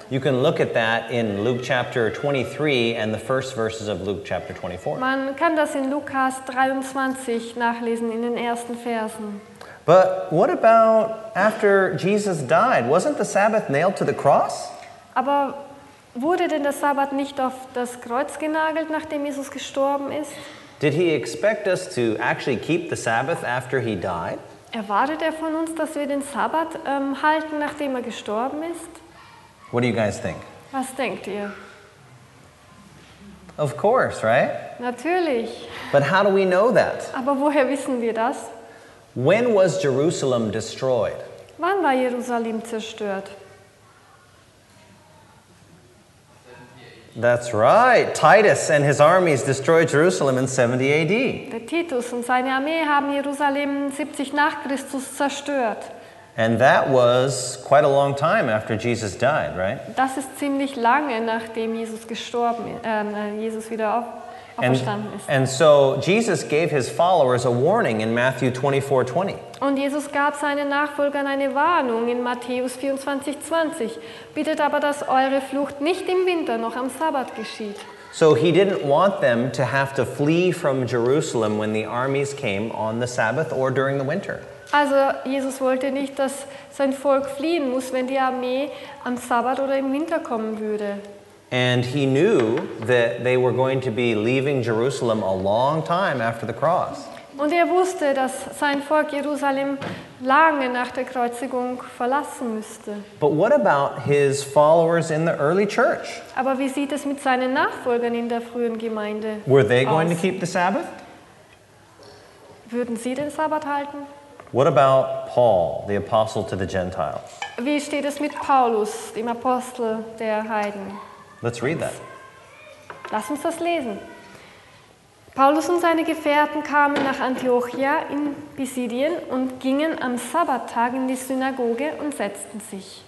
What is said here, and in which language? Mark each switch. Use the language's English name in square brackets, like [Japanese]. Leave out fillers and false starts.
[English] You can look at that in Luke chapter 23 and the first verses of Luke chapter 24. [German] Man kann das in Lukas 23 nachlesen in den ersten Versen. [English] But what about after Jesus died? Wasn't the Sabbath nailed to the cross? [German] Aber wurde denn der Sabbat nicht auf das Kreuz genagelt, nachdem Jesus gestorben ist? [English] Did he expect us to actually keep the Sabbath after he died? [German] Erwartet von uns, dass wir den Sabbat halten, nachdem gestorben ist? [English] What do you guys think? [German] Was denkt ihr? [English] Of course, right? [German] Natürlich. [English] But how do we know that? [German] Aber woher wissen wir das? [English] When was Jerusalem destroyed? [German] Wann war Jerusalem zerstört? [English] That's right. Titus and his armies destroyed Jerusalem in 70 AD. [German] Der Titus und seine Armee haben Jerusalem 70 nach Christus zerstört. [English] And that was quite a long time after Jesus died, right? [German] Das ist ziemlich lange nachdem Jesus gestorben Jesus wieder auferstanden ist. [English] And so Jesus gave his followers a warning in Matthew 24:20. [German] Und Jesus gab seinen Nachfolgern eine Warnung in Matthäus 24:20. Bittet aber, dass eure Flucht nicht im Winter noch am Sabbat geschieht. [English] So he didn't want them to have to flee from Jerusalem when the armies came on the Sabbath or during the winter. [German] Also Jesus wollte nicht, dass sein Volk fliehen muss, wenn die Armee am Sabbat oder im Winter kommen würde. [English] And he knew that they were going to be leaving Jerusalem a long time after the cross. [German] Und er wusste, dass sein Volk Jerusalem lange nach der Kreuzigung verlassen müsste. [English] But what about his followers in the early church? [German] Aber wie sieht es mit seinen Nachfolgern in der frühen Gemeinde aus? [English] Were they going to keep the Sabbath? [German] Würden sie den Sabbat halten? [English] What about Paul, the apostle to the Gentiles? [German] Wie steht es mit Paulus, dem Apostel der Heiden? [English] Let's read that. [German] Lass uns das lesen. Paulus und seine Gefährten kamen nach Antiochia in Pisidien und gingen am Sabbattag in die Synagoge und setzten sich.